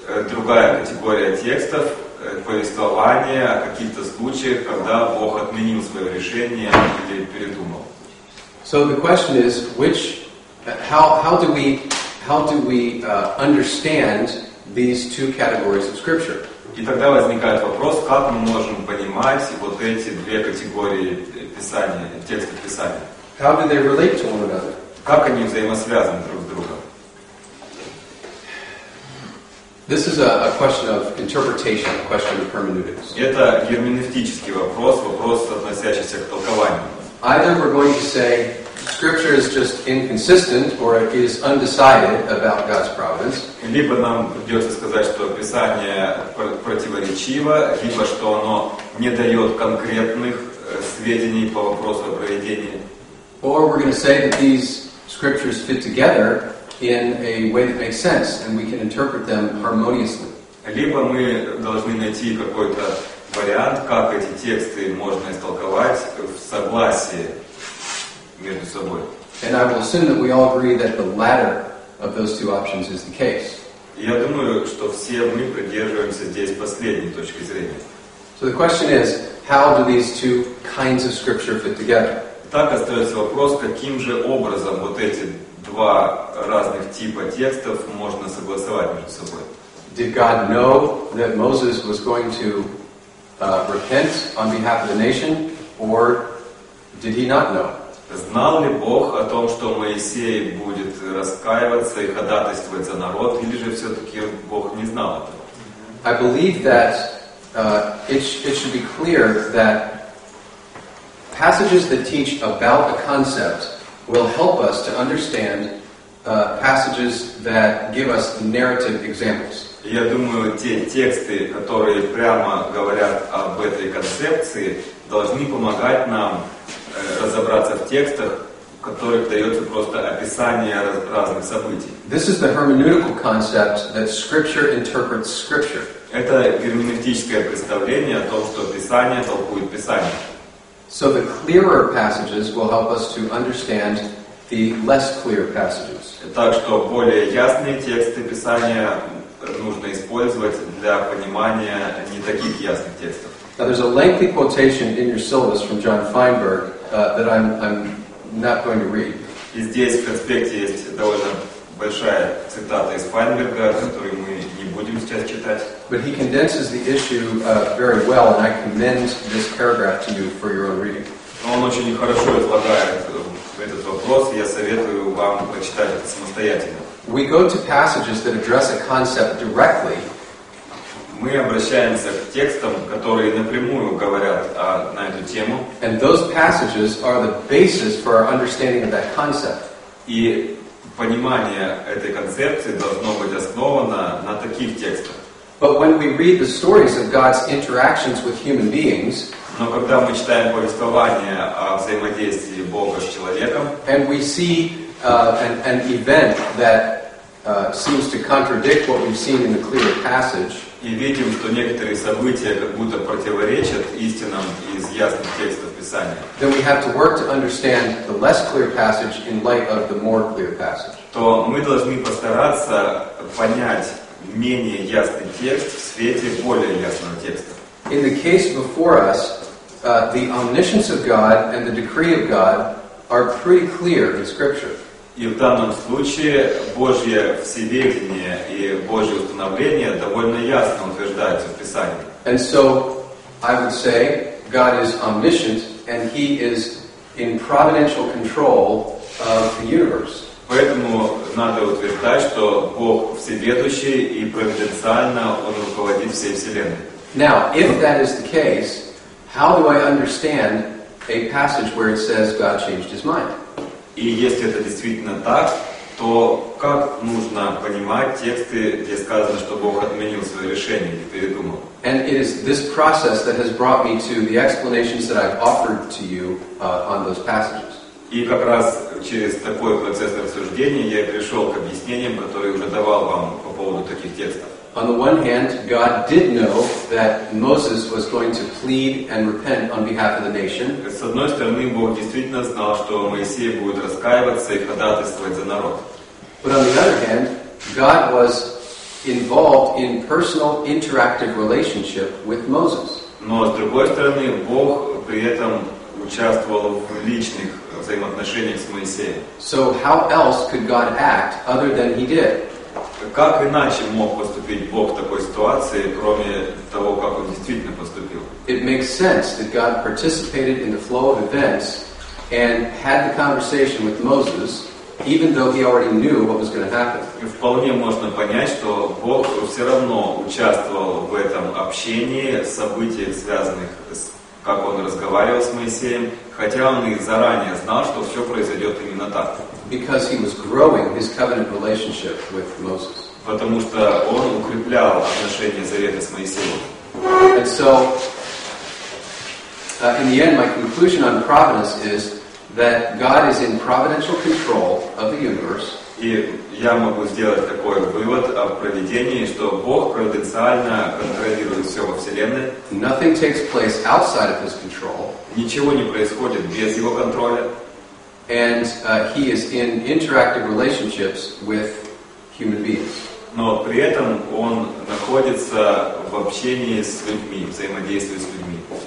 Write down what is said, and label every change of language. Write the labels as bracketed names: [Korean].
[Russian] Другая категория текстов, повествования о каких-то случаях, когда Бог отменил свое решение или передумал. [English] So the question is, how do we understand these two categories of Scripture? [Russian] И тогда возникает вопрос, как мы можем понимать вот эти две категории писания, текстов писания? [English] How do they relate to one another? [Russian] Как они взаимосвязаны друг с другом? [English] This is a question of interpretation, a question of hermeneutics. [Russian] Это герменевтический вопрос, вопрос, относящийся к толкованию. [English] Either we're going to say Scripture is just inconsistent, or it is undecided about God's providence. [Russian] Либо нам придется сказать, что Писание противоречиво, либо что оно не дает конкретных сведений по вопросу о проведении. [English] Or we're going to say that these scriptures fit together in a way that makes sense, and we can interpret them harmoniously. [Russian] Либо мы должны найти какой-то вариант, как эти тексты можно истолковать в согласии. [English] And I will assume that we all agree that the latter of those two options is the case. [Russian] Я думаю, что все мы придерживаемся здесь последней точки зрения. [English] So the question is, how do these two kinds of scripture fit together? [Russian] Так остается вопрос, каким же образом вот эти два разных типа текстов можно согласовать между собой? [English] Did God know that Moses was going to repent on behalf of the nation, or did he not know? [Russian] Знал ли Бог о том, что Моисей будет раскаиваться и ходатайствовать за народ, или же все-таки Бог не знал этого? [English] I believe that it should be clear that passages that teach about a concept will help us to understand passages that give us narrative examples. [Russian] Я думаю, те тексты, которые прямо говорят об этой концепции, должны помогать нам разобраться в текстах, в которых дается просто описание разных событий. [English] This is the hermeneutical concept that Scripture interprets Scripture. [Russian] Это герменевтическое представление о том, что Писание толкует Писание. [English] So the clearer passages will help us to understand the less clear passages. [Russian] Так что более ясные тексты Писания нужно использовать для понимания не таких ясных текстов. [English] Now there's a lengthy quotation in your syllabus from John Feinberg that I'm not going to read. [Russian] И здесь в конспекте есть довольно большая цитата из Файнберга, которую мы не будем сейчас читать. [English] But he condenses the issue very well, and I commend this paragraph to you for your own reading. [Russian] Но он очень хорошо излагает этот вопрос, и я советую вам прочитать это самостоятельно. [English] We go to passages that address a concept directly. [Russian] Мы обращаемся к текстам, которые напрямую говорят на эту тему. [English] And those passages are the basis for our understanding of that concept. [Russian] И понимание этой концепции должно быть основано на таких текстах. [English] But when we read the stories of God's interactions with human beings, [Russian] но когда мы читаем повествование о взаимодействии Бога с человеком, [English] and we see an event that seems to contradict what we've seen in the clear passage, [Russian] и видим, что некоторые события как будто противоречат истинам из ясных текстов Писания, [English] then we have to work to understand the less clear passage in light of the more clear passage. [Russian] То мы должны постараться понять менее ясный текст в свете более ясного текста. [English] In the case before us, the omniscience of God and the decree of God are pretty clear in Scripture. [Russian] И в данном случае Божье всеведение и Божье установление довольно ясно утверждается в Писании. [English] And so, I would say, God is omniscient and He is in providential control of the universe. [Russian] Поэтому надо утверждать, что Бог всеведущий и провиденциально Он руководит всей Вселенной. [English] Now, if that is the case, how do I understand a passage where it says God changed His mind? [Russian] И если это действительно так, то как нужно понимать тексты, где сказано, что Бог отменил свое решение и передумал? [English] And it is this process that has brought me to the explanations that I've offered to you on those passages. [Russian] И как раз через такой процесс рассуждения я пришел к объяснениям, которые уже давал вам по поводу таких текстов. [English] On the one hand, God did know that Moses was going to plead and repent on behalf of the nation. [Russian] С одной стороны, Бог действительно знал, что Моисей будет раскаиваться и ходатайствовать за народ. [English] But on the other hand, God was involved in personal interactive relationship with Moses. [Russian] Но с другой стороны, Бог при этом участвовал в личных взаимоотношениях с Моисеем. [English] So how else could God act other than He did? [Russian] Как иначе мог поступить Бог в такой ситуации, кроме того, как Он действительно поступил? [English] It makes sense that God participated in the flow of events and had the conversation with Moses, even though He already knew what was going to happen. [Russian] И вполне можно понять, что Бог все равно участвовал в этом общении, событиях, связанных с как Он разговаривал с Моисеем, хотя Он и заранее знал, что все произойдет именно так. [English] Because he was growing his covenant relationship with Moses. [Russian] Потому что он укреплял отношения завета с Моисеем. [English] And so, in the end, my conclusion on providence is that God is in providential control of the universe. [Russian] И я могу сделать такой вывод о провидении, что Бог провиденциально контролирует все во Вселенной. [English] Nothing takes place outside of His control. [Russian] Ничего не происходит без Его контроля. [English] And he is in interactive relationships with human beings. [Russian] Но при этом он находится в общении с людьми, взаимодействует с людьми.